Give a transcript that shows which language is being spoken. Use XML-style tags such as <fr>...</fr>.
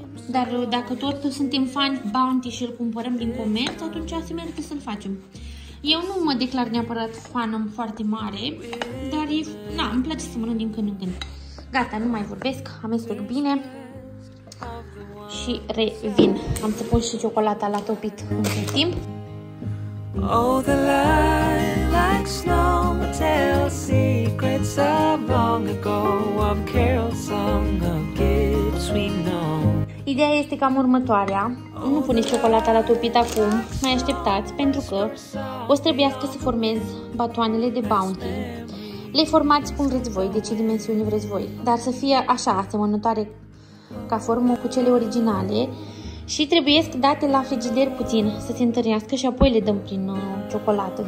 <ro>Dar dacă tot suntem fani Bounty și îl cumpărăm din comerț, atunci se merită să-l facem. Eu nu mă declar neapărat fană foarte mare, dar îmi place să mănânc din când în când. Gata, nu mai vorbesc, amestec bine și revin. Am să pun și ciocolata la topit între timp.</ro> <en>Oh, the light like snow tells secrets of long ago, of carols sung, of gifts we know.</en> <ro>Ideea este cam următoarea, nu puneți ciocolata la topit acum, mai așteptați, pentru că o să trebuiască să formez batoanele de Bounty. Le formați cum vreți voi, de ce dimensiuni vreți voi, dar să fie așa, asemănătoare ca formă cu cele originale și trebuie să date la frigider puțin să se întărească și apoi le dăm prin ciocolată.</ro>